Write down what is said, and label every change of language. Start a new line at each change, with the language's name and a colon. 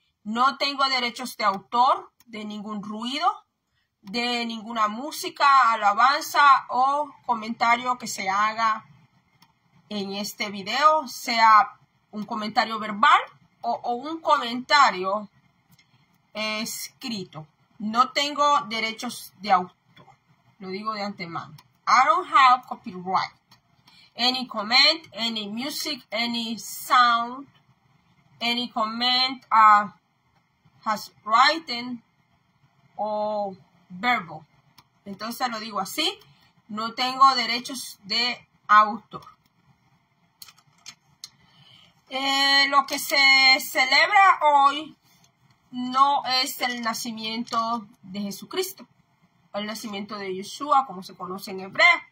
Spanish: No tengo derechos de autor de ningún ruido, de ninguna música, alabanza o comentario que se haga en este video, sea un comentario verbal o un comentario escrito. No tengo derechos de autor, lo digo de antemano.
English: I don't have copyright. Any comment, any music, any sound, any comment has written
Spanish: o verbo. Entonces lo digo así, no tengo derechos de autor. Lo que se celebra hoy no es el nacimiento de Jesucristo, el nacimiento de Yeshua, como se conoce en hebreo.